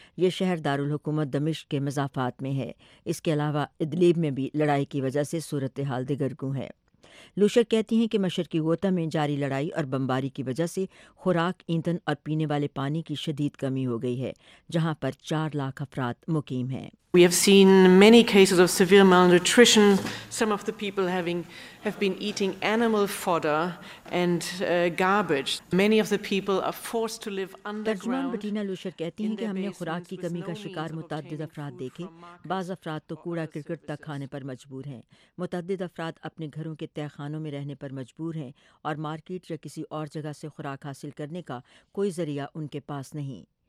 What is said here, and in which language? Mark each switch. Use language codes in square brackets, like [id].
[ur] یہ شہر دارالحکومت دمشق کے مضافات میں ہے. اس کے علاوہ ادلیب میں بھی لڑائی کی وجہ سے صورتحال دگرگوں ہے. لوشر کہتی ہیں کہ مشرقی غوطہ میں جاری لڑائی اور بمباری کی وجہ سے خوراک, ایندھن اور پینے والے پانی کی شدید کمی ہو گئی ہے, جہاں پر 4 لاکھ افراد مقیم ہیں. [en] We have seen many cases of severe malnutrition. Some of the people have been eating animal fodder and garbage. Many of the people are forced to live underground. [ur] ترجمان بٹینا لوشر کہتی ہیں کہ ہم نے خوراک کی کمی کا شکار متعدد افراد دیکھے. بعض افراد تو کوڑا کرکٹ تک کھانے پر مجبور ہیں. متعدد افراد اپنے گھروں کے تہہ خانوں میں رہنے پر مجبور ہیں, اور مارکیٹ یا کسی اور جگہ سے خوراک حاصل کرنے کا کوئی ذریعہ ان کے پاس نہیں.